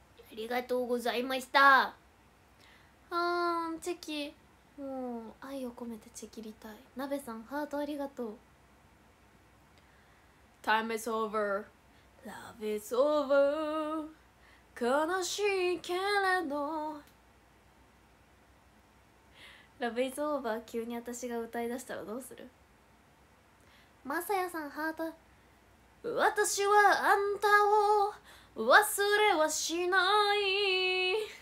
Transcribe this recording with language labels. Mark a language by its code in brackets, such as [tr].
[ja] ありがとうございました。あー、チェキもう愛を込めてチェキりたい。なべさんハートありがとう。 [en] Time is over, Love is over, [ja] 悲しいけれど [en] Love is over。 [ja] 急に私が歌い出したらどうする。まさやさんハート、私はあんたを忘れはしない。